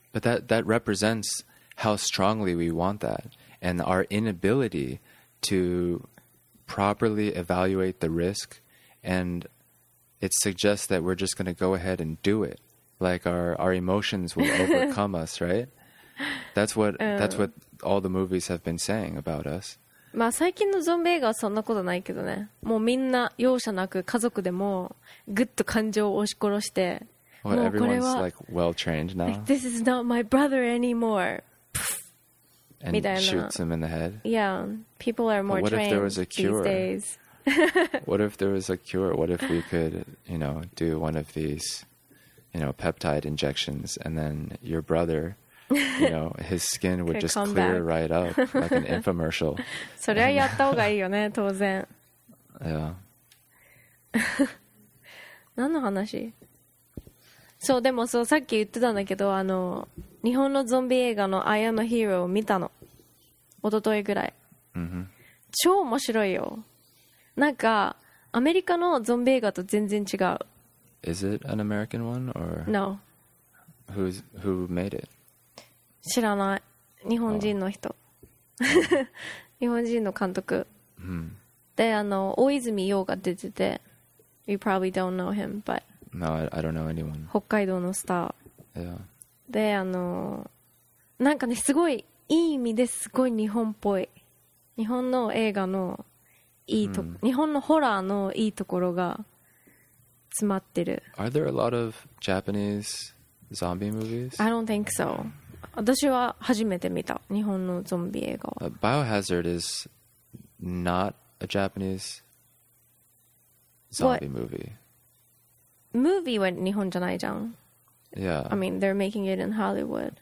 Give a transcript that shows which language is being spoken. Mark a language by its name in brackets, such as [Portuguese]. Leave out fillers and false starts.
[English] But that represents how strongly we want that and our inability to properly evaluate the risk. And it suggests that we're just going to go ahead and do it. Like our emotions will overcome us, right? That's what all the movies have been saying about us. [Japanese] まあ、最近のゾンビ映画はそんなことないけどね。もうみんな容赦なく家族でもぐっと感情を押し殺して、 [English] well, [Japanese] もうこれは [English] like, well-trained now. Like, This is not my brother anymore. And [Japanese] みたいな。 [English] Shoots him in the head. Yeah, people are more trained these days. What if there was a cure? What if we could, you know, do one of these, you know, peptide injections, and then your brother, you know, his skin would just clear right up like an infomercial. [Japanese] それはやった方がいいよね、当然。 [English] Yeah. [Japanese] 何の話？そう、でもそう、さっき言ってたんだけど、あの、日本のゾンビ映画の I Am a Hero を見たの。一昨日ぐらい。 [English] Mm-hmm. [Japanese] 超面白いよ。なんか、アメリカのゾンビ映画と全然違う。 [English] Is it an American one or? No. Who made it? [Japanese] 知らない。日本人の人。日本人の監督。 [English] Mm-hmm. [Japanese] で、あの、大泉洋が出てて。 [English] You probably don't know him, but. No, I don't know anyone. [Japanese] 北海道のスター。 [English] Yeah. [Japanese] で、あの、なんかね、すごい、いい意味ですごい日本っぽい。日本の映画のいいとこ、日本のホラーのいいところが詰まってる。 [English] Are there a lot of Japanese zombie movies? I don't think so. [Japanese] 私は初めて見た、日本のゾンビ映画は。 [English] Biohazard is not a Japanese zombie movie. [Japanese] Movie は日本じゃないじゃん。 [English] Yeah. I mean, they're making it in Hollywood.